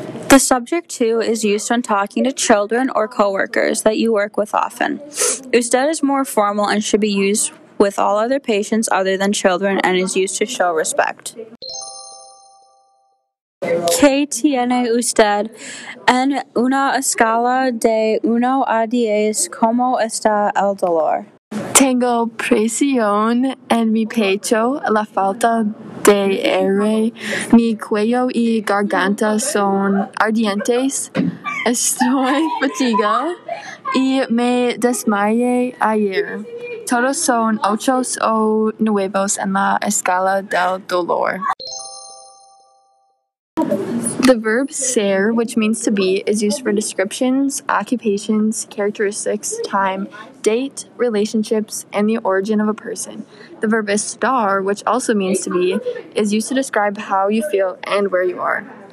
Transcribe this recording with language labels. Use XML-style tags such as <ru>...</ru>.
<en>The subject two is used when talking to children or coworkers that you work with often. Usted is more formal and should be used with all other patients other than children and is used to show respect.</en> <es>¿Qué tiene usted? En una escala de 1 a 10, ¿cómo está el dolor? Tengo presión en mi pecho, la falta de aire, mi cuello y garganta son ardientes, estoy fatigada y me desmayé ayer. Todos son 8 o 9 en la escala del dolor.</es> <en>The verb ser, which means to be, is used for descriptions, occupations, characteristics, time, date, relationships, and the origin of a person. The verb estar, which also means to be, is used to describe how you feel and where you are.</en>